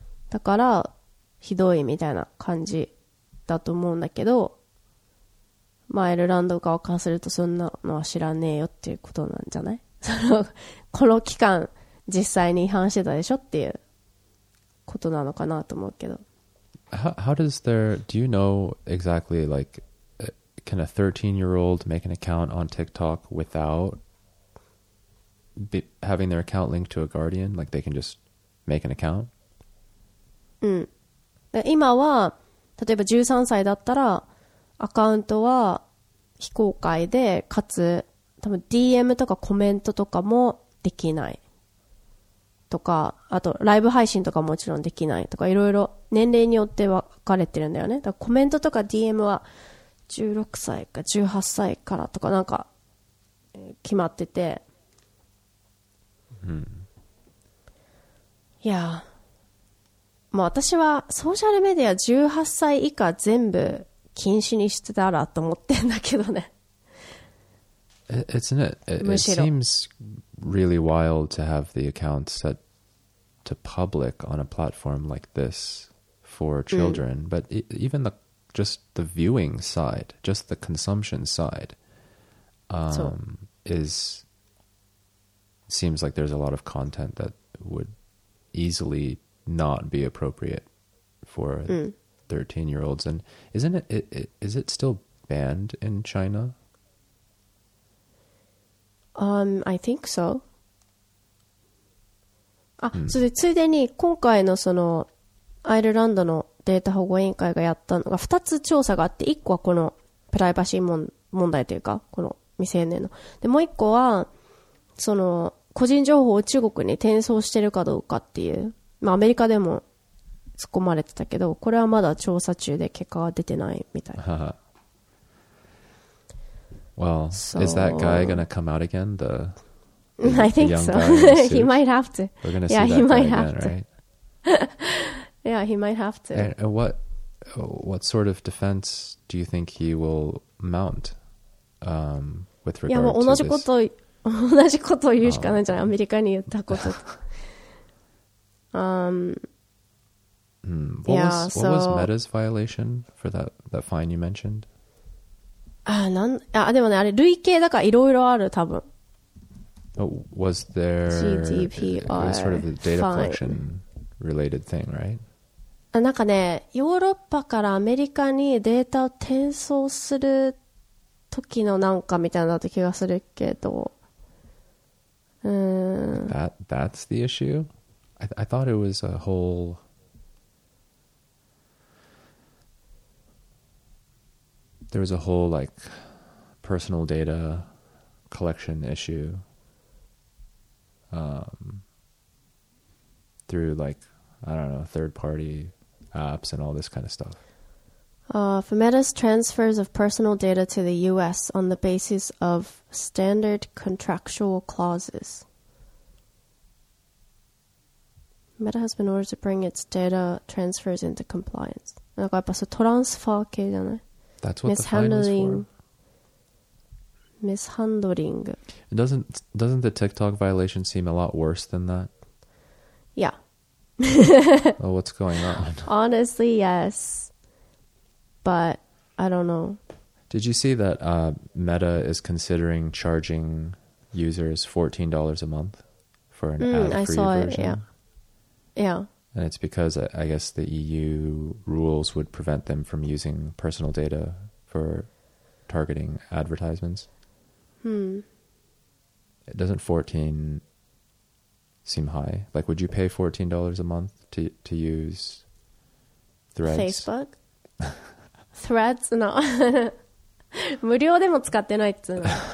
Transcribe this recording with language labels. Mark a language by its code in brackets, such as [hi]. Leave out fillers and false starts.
[ja] だからひどいみたいな感じだと思うんだけど、まあ、アイルランド側からするとそんなのは知らねえよっていうことなんじゃない？この期間実際に違反してたでしょっていうことなのかなと思うけど。 [en] How does there, do you know exactly like, can a 13-year-old make an account on TikTok without having their account linked to a guardian? Like they can just make an account? うん。 [ja] 今は例えば13歳だったらアカウントは非公開で、かつ多分 DM とかコメントとかもできないとか、あとライブ配信とかもちろんできないとか、いろいろ年齢によって分かれてるんだよね。だからコメントとか DM は16歳か18歳からとかなんか決まってて、うん、いやもう私はソーシャルメディア18歳以下全部禁止にしてたらと思ってんだけどね。 [en] It seems really wild to have the account set to public on a platform like this for children、うん、but even the just the viewing side, just the consumption side、is seems like there's a lot of content that would easily not be appropriate for、うん、13-year-olds. And is it still banned in China? I think so. あ、mm. [ja] それでついでに今回のそのアイルランドのデータ保護委員会がやったのが2つ調査があって、1個はこのプライバシー問題というかこの未成年ので、もう1個はその個人情報を中国に転送してるかどうかっていう、まあ、アメリカでも突っ込まれてたけど、これはまだ調査中で結果は出てないみたいな。 [en] Well, so, is that guy going to come out again? I think so. He might have to. We're going to see that guy again, right? Yeah, he might have to. And what sort of defense do you think he will mount, with regard to this? Yeah, [ja] もう同じことを言うしかないんじゃない？アメリカに言ったこと。 [en] What was Meta's violation for that fine you mentioned? [ja] でもね、あれ累計だからいろいろある多分。 [en] But was there GDPR was sort of the data collection related thing, right? [ja] なんかね、ヨーロッパからアメリカにデータを転送する時のなんかみたいなだった気がするけど、 [en] That's the issue? I thought it was a whole... There was a whole like personal data collection issue, through like I don't know third party apps and all this kind of stuff. For Meta's transfers of personal data to the U.S. on the basis of standard contractual clauses, Meta has been ordered to bring its data transfers into compliance. [ja] なんかやっぱそのトランスファー系じゃない。 [en] That's what mishandling, the fine is for. Mishandling. Doesn't the TikTok violation seem a lot worse than that? Yeah. Well, what's going on? Honestly, yes. But I don't know. Did you see that Meta is considering charging users $14 a month for an ad-free version? I saw it, yeah. Yeah. And it's because I guess the EU rules would prevent them from using personal data for targeting advertisements. Doesn't 14 seem high? Like, would you pay $14 a month to use Threads? Facebook? Threads? No. [ja] 無料でも使ってないっつうの。